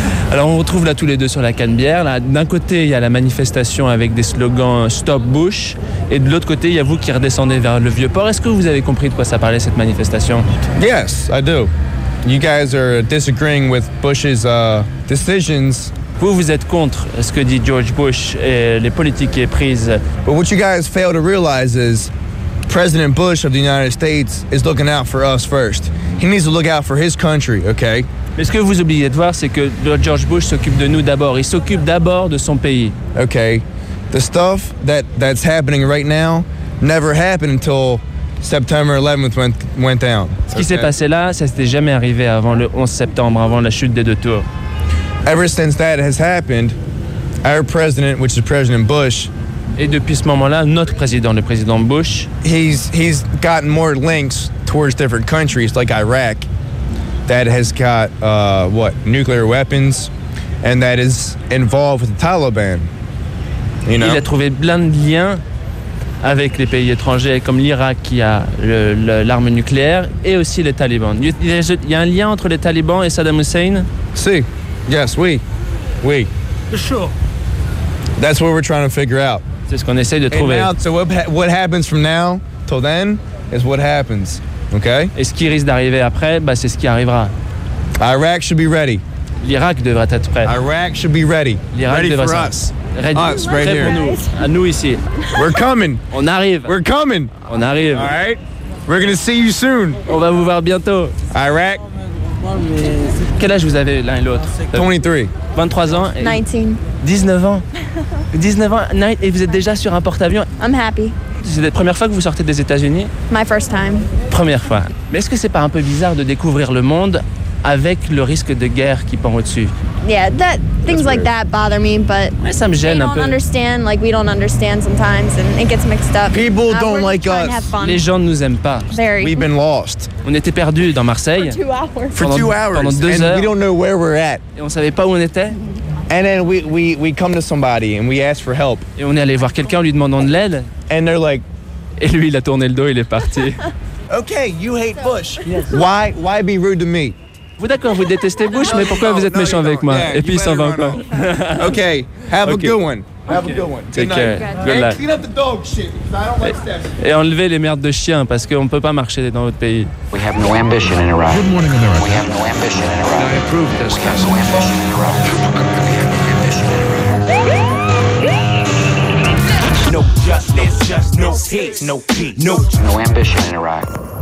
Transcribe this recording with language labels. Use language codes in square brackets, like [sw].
[fr] Alors, on retrouve là tous les deux sur la canne-bière. Là, d'un côté, il y a la manifestation avec des slogans « [en] Stop Bush [fr] » et de l'autre côté, il y a vous qui redescendez vers le Vieux-Port. Est-ce que vous avez compris de quoi ça parlait, cette manifestation ? [en] Yes, I do. You guys are disagreeing with Bush's decisions. [fr] Vous, vous êtes contre ce que dit George Bush et les politiques qui est prises. [en] But what you guys fail to realize is President Bush of the United States is looking out for us first. He needs to look out for his country, okay? [fr] Mais ce que vous oubliez de voir, c'est que George Bush s'occupe de nous d'abord. Il s'occupe d'abord de son pays. [en] Okay. The stuff that's happening right now never happened until September 11th went down. [fr] Ce qui s'est passé là, ça s'était jamais arrivé avant le 11 septembre, avant la chute des deux tours. [en] Ever since that has happened, our president, which is President Bush, [fr] et depuis ce moment-là, notre président, le président Bush, [en] he's gotten more links towards different countries like Iraq, that has got nuclear weapons, and that is involved with the Taliban. You know, [fr] il a trouvé plein de liens avec les pays étrangers comme l'Irak qui a l'arme nucléaire et aussi les talibans. Il y a un lien entre les talibans et Saddam Hussein? Si. [en] Yes, [fr] oui. Oui. [en] For sure. That's what we're trying to figure out. [fr] C'est ce qu'on essaie de trouver. [en] And now, so what happens from now till then is what happens. Okay? [fr] Et ce qui risque d'arriver après, c'est ce qui arrivera. [en] Iraq should be ready. [fr] L'Irak devrait être prêt. [en] Iraq should be ready. [fr] L'Irak [en] ready [fr] devrait [en] for [fr] être [en] us. Ready. Us, right here. [fr] Pour nous. À nous ici. [en] We're coming. [fr] On arrive. [en] We're coming. [fr] On arrive. [en] All right? We're going to see you soon. [fr] On va vous voir bientôt. [en] Iraq. [fr] Quel âge vous avez l'un et l'autre? [en] 23. [fr] 23 ans et [en] 19 [fr] ans. 19 ans et vous êtes déjà sur un porte-avions. [en] I'm happy. [fr] C'est la première fois que vous sortez des États-Unis? [en] My first time. [fr] Première fois. Mais est-ce que c'est pas un peu bizarre de découvrir le monde avec le risque de guerre qui pend au-dessus? [en] Yeah, that things like that bother me, but [fr] ouais, ça me gêne un peu. [en] They don't understand, like we don't understand sometimes, and it gets mixed up. People don't like us. [fr] Les gens ne nous aiment pas. [en] Very. We've been lost. [fr] On était perdus dans Marseille. [en] For 2 hours. [fr] Pendant 2 heures. [en] And we don't know where we're at. [fr] Et on savait pas où on était. [en] And then we come to somebody and we ask for help. [fr] Et on est allé voir quelqu'un en lui demandant de l'aide. [en] And they're like. [fr] Et lui, il a tourné le dos, il est parti. [en] Okay, you hate Bush. Yes. Why be rude to me? [fr] Vous d'accord, vous détestez Bush, mais pourquoi vous êtes méchant avec moi? [en] Yeah, [fr] et puis il s'en va encore. [en] Okay, have a good one. Take care. Good luck. Clean up the dog shit, because I don't like stuff. [fr] Et enlever les merdes de chiens, parce qu'on ne peut pas marcher dans votre pays. [en] We have no ambition in Iraq. Good morning, America. We have no ambition in Iraq. I approve this. We have no ambition in Iraq. No justice, no peace. No ambition in Iraq.